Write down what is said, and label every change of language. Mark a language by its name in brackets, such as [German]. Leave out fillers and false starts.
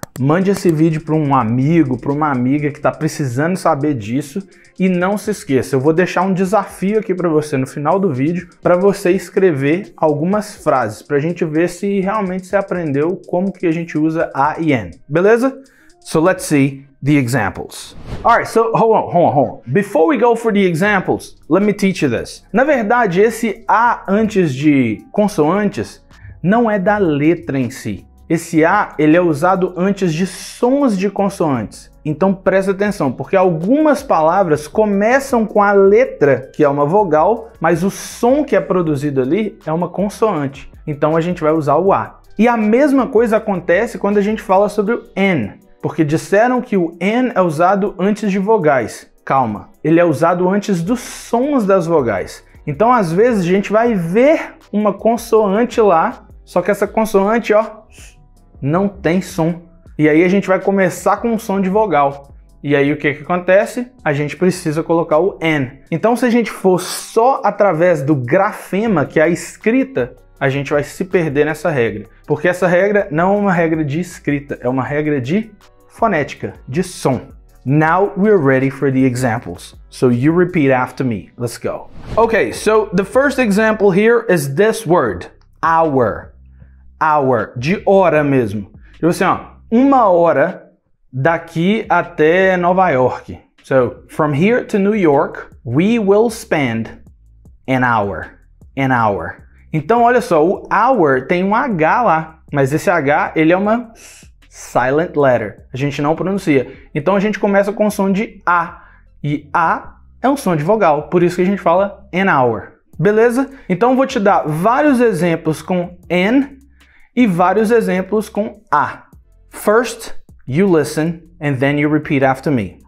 [Portuguese] Mande esse vídeo para um amigo, para uma amiga que está precisando saber disso. E não se esqueça, eu vou deixar um desafio aqui para você no final do vídeo para você escrever algumas frases, para a gente ver se realmente você aprendeu como que a gente usa A e N. Beleza? [English] So let's see the examples. Alright, so hold on. Before we go for the examples, let me teach you this. [Portuguese] Na verdade, esse A antes de consoantes não é da letra em si. Esse A, ele é usado antes de sons de consoantes. Então, presta atenção, porque algumas palavras começam com a letra, que é uma vogal, mas o som que é produzido ali é uma consoante. Então, a gente vai usar o A. E a mesma coisa acontece quando a gente fala sobre o N, porque disseram que o N é usado antes de vogais. Calma, ele é usado antes dos sons das vogais. Então, às vezes, a gente vai ver uma consoante lá, só que essa consoante, ó, não tem som. E aí a gente vai começar com um som de vogal. E aí o que que acontece? A gente precisa colocar o N. Então se a gente for só através do grafema, que é a escrita, a gente vai se perder nessa regra. Porque essa regra não é uma regra de escrita, é uma regra de fonética, de som. [English] Now we're ready for the examples. So you repeat after me. Let's go. Okay, so the first example here is this word. [Portuguese] Hour. Hour, de hora mesmo. Tipo assim, ó, uma hora daqui até Nova York. [English] So, from here to New York, we will spend an hour. An hour. [Portuguese] Então, olha só, o hour tem um H lá, mas esse H, ele é uma silent letter. A gente não pronuncia. Então, a gente começa com o som de A. E A é um som de vogal, por isso que a gente fala an hour. Beleza? Então, vou te dar vários exemplos com an e vários exemplos com a. [English] First, you listen and then you repeat after me.